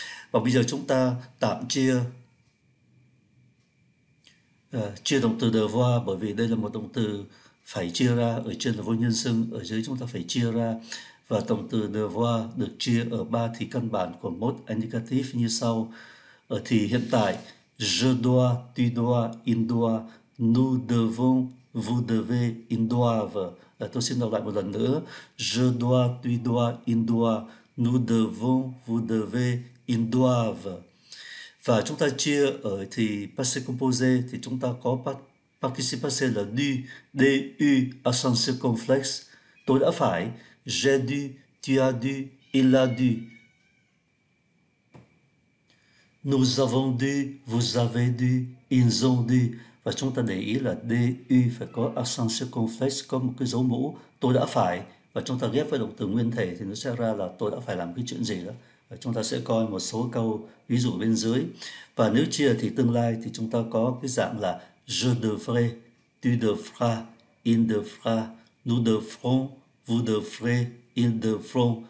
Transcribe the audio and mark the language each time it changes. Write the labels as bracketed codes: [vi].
[vi] Và bây giờ chúng ta tạm chia chia động từ devoir, bởi vì đây là một động từ phải chia ra, ở trên là vô nhân xưng, ở dưới chúng ta phải chia ra. Và động từ devoir được chia ở ba thì căn bản của mode indicative như sau. Ở thì hiện tại, [fr] je dois, tu dois, il doit, nous devons, vous devez, ils doivent. [vi] Tôi xin đọc lại một lần nữa. [fr] Je dois, tu dois, il doit, nous devons, vous devez, ils doivent. [vi] Và chúng ta chia ở thì passé composé thì chúng ta có participe là du, du, à sens circonflexe. Tôi đã phải, [fr] j'ai dû, tu as dû, il a dû. Nous avons dû, vous avez dû, ils ont dû. [vi] Và chúng ta để ý là du phải có à sens circonflexe, có một cái dấu mũ, tôi đã phải. Và chúng ta ghép với động từ nguyên thể thì nó sẽ ra là tôi đã phải làm cái chuyện gì đó. Chúng ta sẽ coi một số câu ví dụ bên dưới. Và nếu chia thì tương lai thì chúng ta có cái dạng là [fr] je devrais, tu devras, il devra, nous devrons, vous devrez, ils devront.